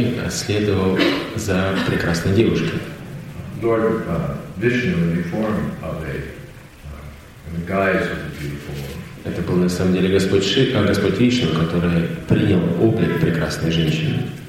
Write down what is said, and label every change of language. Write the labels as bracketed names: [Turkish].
[Russian] Следовал за прекрасной девушкой. [English] Lord Vishnu in the form of a in the guise of a beautiful woman. [Russian] Это был на самом деле Господь Вишну, который принял облик прекрасной женщины.